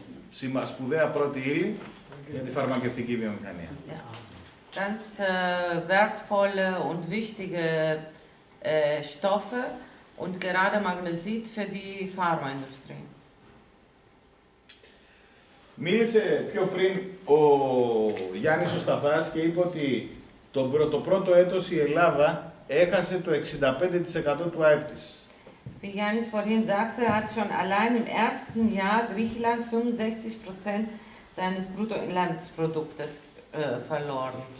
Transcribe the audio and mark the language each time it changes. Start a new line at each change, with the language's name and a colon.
Greek: Σημα, σπουδαία πρώτη ύλη για τη φαρμακευτική βιομηχανία. Yeah.
German: Ganz wertvolle und wichtige Stoffe und gerade Magnesit für die Pharmaindustrie.
Greek: Μίλησε πιο πριν ο Γιάννης Σταθάς και είπε ότι το πρώτο έτος η Ελλάδα έχασε το 65% του ΑΕΠ της.
German: Wie Janis vorhin sagte, hat schon allein im ersten Jahr Griechenland 65% seines Bruttoinlandsproduktes verloren.